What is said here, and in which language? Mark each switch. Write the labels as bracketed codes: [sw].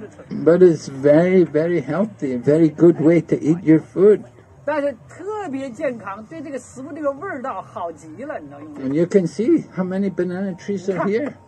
[en] But it's very, very healthy, a very good way to eat your food. [zh] 但是特别健康，对这个食物这个味道好极了，你知道吗？ [en] You can see how many banana trees are here.